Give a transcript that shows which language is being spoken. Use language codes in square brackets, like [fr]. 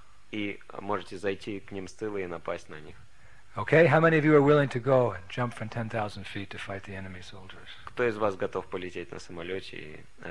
[ru] И можете зайти к ним с тыла и напасть на них. [en] Okay, how many of you are willing to go and jump from 10,000 feet to fight the enemy soldiers? [ru] Кто из вас готов полететь на самолете и